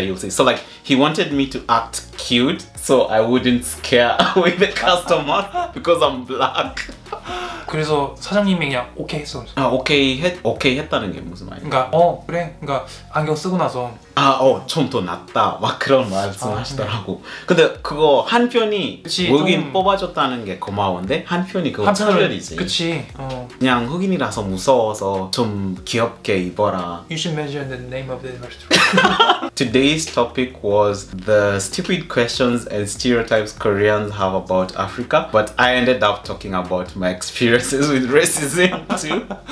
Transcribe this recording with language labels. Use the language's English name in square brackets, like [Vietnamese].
[English] You'll see. So like he wanted me to act cute so I wouldn't scare away the customer because I'm black. [Korean] 그래서 사장님이 그냥 오케이 했어. 아 오케이 했 오케이 했다는 게 무슨 말이야? 그러니까 어 그래. 그러니까 안경 쓰고 나서 아 어 좀 더 낫다 막 그런 말씀하시더라고. 아, 네. 근데 그거 한편이 외국인 좀... 뽑아줬다는 게 고마운데 한편이 그거 차별이지. 그치. 어 그냥 흑인이라서 무서워서 좀 귀엽게 입어라. [English] You should mention the name of the restaurant. Today's topic was the stupid questions and stereotypes Koreans have about Africa, but I ended up talking about my experiences with racism too.